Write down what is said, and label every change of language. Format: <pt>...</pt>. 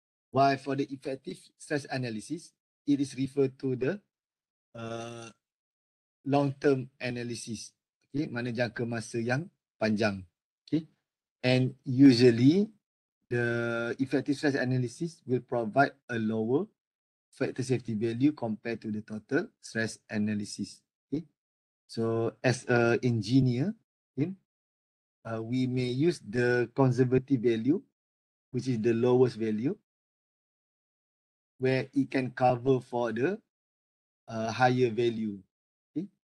<en>While for the effective stress analysis, it is referred to the long-term analysis.</en> <ms>Okay, mana jangka masa yang panjang.</ms> <en>Okay. And usually, the effective stress analysis will provide a lower factor safety value compared to the total stress analysis. Okay. So, as an engineer, okay, we may use the conservative value, which is the lowest value, where it can cover for the higher value. Okay.</en>